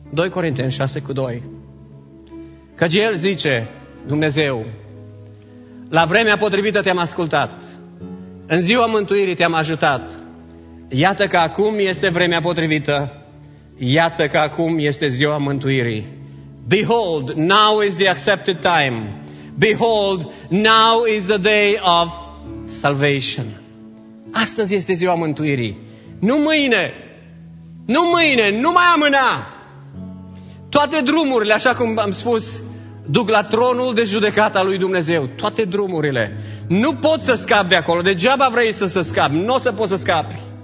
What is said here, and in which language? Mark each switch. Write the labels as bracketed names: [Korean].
[Romanian] 2 Corinteni 6:2. Căci El zice, Dumnezeu, la vremea potrivită te-am ascultat. În ziua mântuirii te-am ajutat. Iată că acum este vremea potrivită. Iată că acum este ziua mântuirii. [English] Behold, now is the accepted time. Behold, now is the day of salvation. [Romanian] Astăzi este ziua mântuirii. Nu mâine, nu mai amâna. Toate drumurile, așa cum am spus, duc la tronul de judecată al lui Dumnezeu. Toate drumurile. Nu poți să scapi de acolo. Degeaba vrei să scapi. Nu o să poți să scapi.